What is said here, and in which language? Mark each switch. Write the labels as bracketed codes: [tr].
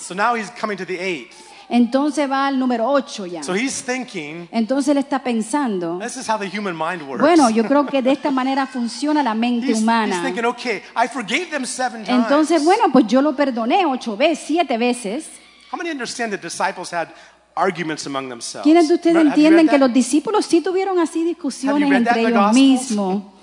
[en] So now he's coming to the eighth. [es] Entonces va al número 8 ya. [en] So he's thinking, [es] entonces él está pensando. [en] This is how the human mind works. [es] Bueno, yo creo que de esta manera funciona la mente humana. [en] He's thinking, okay, I forgave them seven times. [es] Entonces, bueno, pues yo lo perdoné 8 veces, 7 veces. [en] How many understand the disciples had arguments among themselves? [es] ¿Quiénes de ustedes entienden que los discípulos sí tuvieron así discusiones entre ellos mismos?